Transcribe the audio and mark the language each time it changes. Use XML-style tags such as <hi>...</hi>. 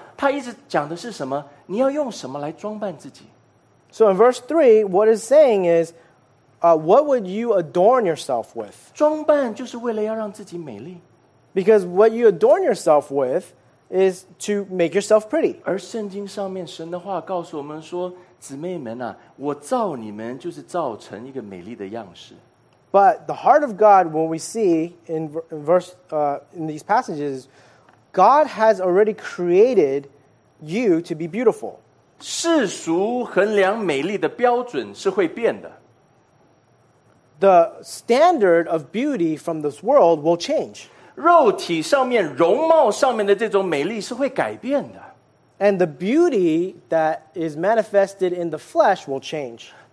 <zh>因为我们在第三、第四节里面看到,他一直讲的是什么?你要用什么来装扮自己?</zh> <en>So in verse 3, what it's saying is, what would you adorn yourself with?</en> <zh>装扮就是为了要让自己美丽。</zh> <en>Because what you adorn yourself with is to make yourself pretty.</en> <zh>而圣经上面神的话告诉我们说,姊妹们啊,我造你们就是造成一个美丽的样式。</zh> <en>But the heart of God, when we see in these passages, God has already created you to be beautiful.</en> <zh>世俗衡量美丽的标准是会变的。</zh> <en>The standard of beauty from this world will change.</en> <zh>肉体上面,容貌上面的这种美丽是会改变的。</zh> <en>And the beauty that is manifested in the flesh will change.</en>